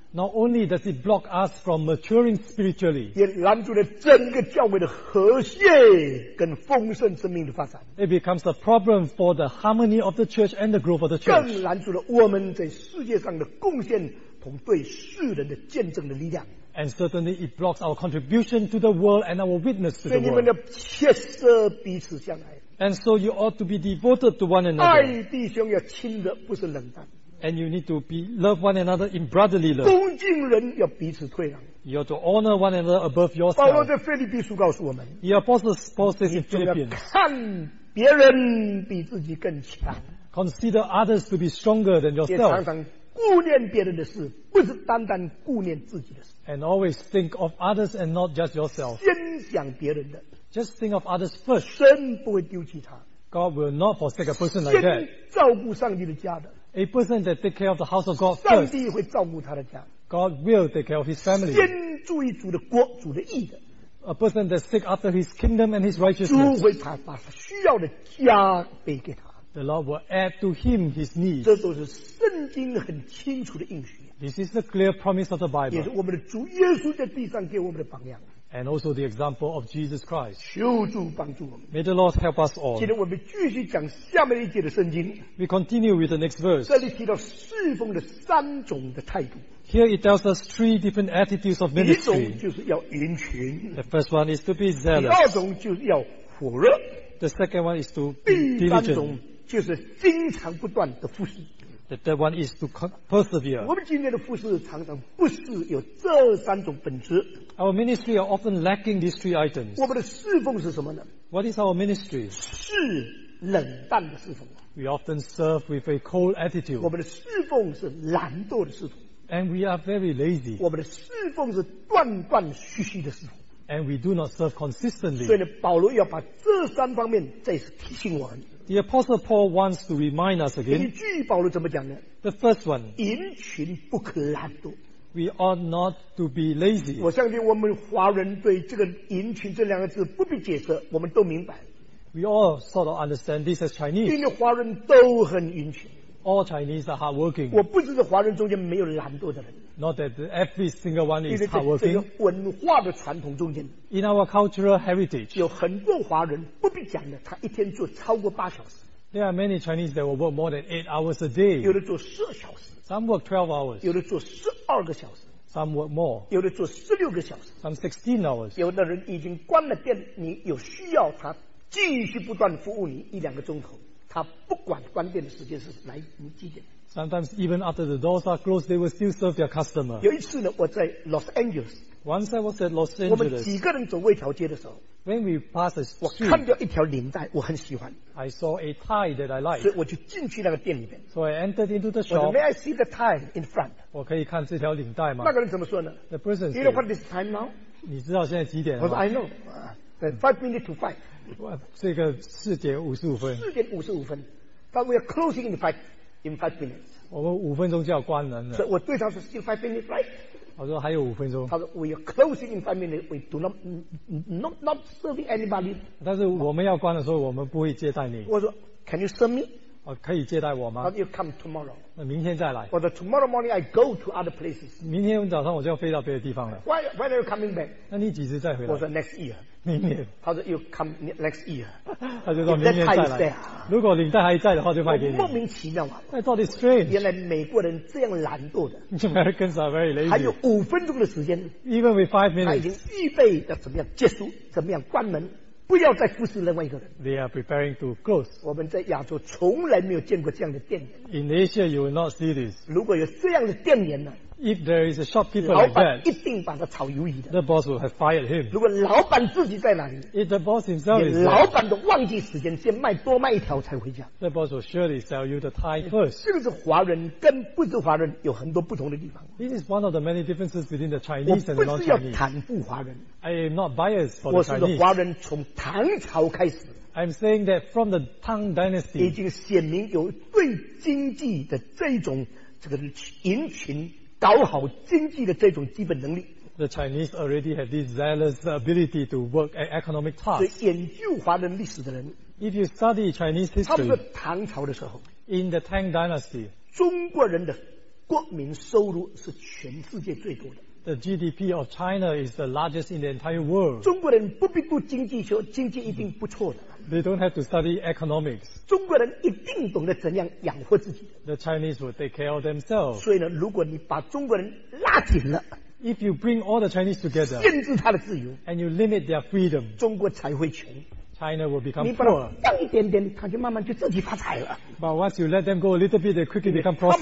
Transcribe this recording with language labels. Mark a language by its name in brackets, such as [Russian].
[English] not only does it block us from maturing spiritually, [Chinese] 也拦阻了整个教会的和谐跟丰盛生命的发展, [English] it becomes a problem for the harmony of the church and the growth of the church. [Chinese] 更拦阻了我们在世界上的贡献同对世人的见证的力量, [English] and certainly it blocks our contribution to the world and our witness to the world. [Chinese] 所以你们要切实彼此相爱, [English] and so you ought to be devoted to one another. [Chinese] 爱弟兄要亲热, [English] and you need to be love one another in brotherly love. [Chinese] 恭敬人要彼此退让, [English] you ought to honor one another above yourself. [Chinese] 保罗在腓立比书告诉我们, [English] the apostle Paul says in Philippians, [Chinese] 看别人比自己更强, [English] consider others to be stronger than yourself. [Chinese] 也常常顾念别人的事, 不是单单顾念自己的事, [English] and always think of others and not just yourself. [Chinese] 先想别人的, [English] just think of others first. [Chinese] 神不会丢弃他, [English] God will not forsake a person like that. [Chinese] 先照顾上帝的家的, [English] a person that takes care of the house of God first, [Chinese] 上帝会照顾他的家, [English] God will take care of his family. [Chinese] 先注意主的国, 主的义的, [English] a person that seeks after his kingdom and his righteousness, [Chinese] 主会把他需要的加倍给他, [English] the Lord will add to him his needs. [Chinese] 这都是圣经很清楚的应许, [English] this is the clear promise of the Bible. [Chinese] 也是我们的主耶稣在地上给我们的榜样, [English] and also the example of Jesus Christ. [Chinese] 求主帮助我们, [English] may the Lord help us all. [Chinese] 今天我们继续讲下面一节的圣经, [English] we continue with the next verse. [Chinese] 这里提到侍奉的三种的态度, [English] here it tells us three different attitudes of ministry. [Chinese] 第一种就是要迎群, [English] the first one is to be zealous. [Chinese] 第二种就是要火热, [English] the second one is to be diligent. [Chinese] 就是经常不断的服侍, [English] the third one is to persevere. [Chinese] 我们今天的服侍常常不是有这三种本质, [English] our ministry are often lacking these three items. [Chinese] 我们的侍奉是什么呢? [English] What is our ministry? [Chinese] 是冷淡的侍奉, [English] we often serve with a cold attitude. [Chinese] 我们的侍奉是懒惰的侍奉, [English] and we are very lazy. [Chinese] 我们的侍奉是断断续续的侍奉, [English] and we do not serve consistently. [Chinese] 所以呢, 保罗要把这三方面再次提醒我们, [English] the Apostle Paul wants to remind us again. [Chinese] 你注意保罗怎么讲呢? [English] The first one, [Chinese] 迎群不可懒惰, [English] we ought not to be lazy. [Chinese] 我相信我们华人对这个迎群这两个字不必解释, 我们都明白, [English] we all sort of understand this as Chinese. [Chinese] 因为华人都很迎群, [English] all Chinese are hardworking. [Chinese] 我不知道华人中间没有懒惰的人, [English] not that every single one is hardworking. [Chinese] 因为这个文化的传统中间, [English] in our cultural heritage, [Chinese] 有很多华人不必讲的他一天做超过八小时, [English] there are many Chinese that will work more than 8 hours a day. [Chinese] 有的做12小时, [English] some work 12 hours. [Chinese] 有的做12个小时, [English] some work more. [Chinese] 有的做16个小时, [English] some 16 hours. [Chinese] 有的人已经关了店, 你有需要他继续不断服务你一两个钟头, 他不管关店的时间是来几点, [English] sometimes even after the doors are closed they will still serve their customer. [Chinese] 有一次呢, 我在 Los Angeles, [English] once I was at Los Angeles, [Chinese] 我们几个人走魏条街的时候, [English] when we passed a street, [Chinese] 我看到一条领带, 我很喜欢, [English] I saw a tie that I like, [Chinese] 所以我就进去那个店里面, [English] so I entered into the shop. [Chinese] 我说, [English] may I see the tie in front? [Chinese] 我可以看这条领带吗? 那个人怎么说呢? [English] The person said, you know what this time now? [Chinese] 你知道现在几点吗? 我说, [English] I know, 5 minutes to 5. [Chinese] 这个4:55, [English] 4:55, but we are closing in five minutes. [Chinese] 我们5分钟就要关门了, 所以我对他说, [English] still 5 minutes, right? [Chinese] 我说还有5分钟, 他说, [English] we are closing in 5 minutes, we do not serving anybody. [Chinese] 但是我们要关的时候, 我们不会接待你. [English] 我说, can you serve me? [Chinese] 可以接待我吗？ [English] You come tomorrow. [Chinese] 明天再来。 [English] Or the tomorrow morning I go to other places. [Chinese] 明天早上我就要飞到别的地方了。 [English] When are you coming back? [Chinese] 那你几时再回来？ [English] Or the next year. [Chinese] 明年。他说 [English] you come next year. [Chinese] 他就说明年再来。如果领带还在的话，就卖给你。莫名其妙啊！那到底 [English] strange？ [Chinese] 原来美国人这样懒惰的。 [English] Americans are very lazy. [Chinese] 还有五分钟的时间。 [English] Even with 5 minutes. [Chinese] 他已经预备要怎么样结束，怎么样关门。不要再服侍另外一个人。 [English] They are preparing to close. [Chinese] 我们在亚洲从来没有见过这样的店员。 [English] In Asia, you will not see this. [Chinese] 如果有这样的店员呢？ [English] If there is a shopkeeper like that, [Chinese] 老板一定把他炒鱿鱼的。 [English] The boss will have fired him. [Chinese] 如果老板自己在哪里？ [English] If the boss himself is there, [Chinese] 老板都忘记时间，先卖多卖一条才回家。 [English] The boss will surely sell you the tie first. [Chinese] 这个是华人跟不是华人有很多不同的地方。 [English] This is one of the many differences between the Chinese and non-Chinese. [Chinese] 我不是要袒护华人。 [English] I am not biased for the Chinese. [Chinese] 我是说华人从唐朝开始。 [English] I'm saying that from the Tang Dynasty, [Chinese] 已经显明有对经济的这种这个人群。搞好经济的这种基本能力。 [English] The Chinese already have this zealous ability to work at economic tasks. [Chinese] 所以研究华人历史的人 [English] ，If you study Chinese history， [Chinese] 差不多唐朝的时候 [English] ，In the Tang Dynasty， [Chinese] 中国人的国民收入是全世界最多的。 [English] The GDP of China is the largest in the entire world. [Chinese] 中国人不必读经济学，经济一定不错的。 [English] They don't have to study economics. [Chinese] 中国人一定懂得怎样养活自己。 [English] The Chinese would take care of themselves. [Chinese] 所以呢，如果你把中国人拉紧了 [English] ，If you bring all the Chinese together, [Chinese] 限制他的自由 [English] ，and you limit their freedom, [Chinese] 中国才会穷。 [English] China will become poor. [Chinese] 你把他放一点点，他就慢慢就自己发财了。 [English] But once you let them go a little bit, they quickly become prosperous.